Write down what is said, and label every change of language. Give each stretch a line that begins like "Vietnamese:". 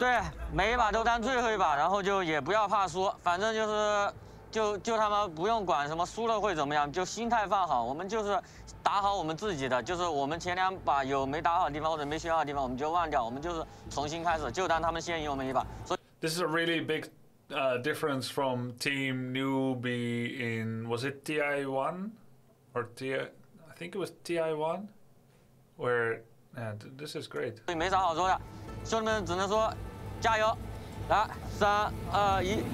Chinese: 对，每一把都当最后一把，然后就也不要怕输，反正就是，就他们不用管什么输了会怎么样，就心态放好，我们就是打好我们自己的，就是我们前两把有没打好的地方或者没学好的地方，我们就忘掉，我们就是重新开始，就当他们先赢我们一把。所以
English: This is a really big difference from Team Newbie in was it TI1? Or TI, I think it was TI1, where, man, this is great.
Chinese: 所以没啥好说的，兄弟们只能说加油，来，三二一，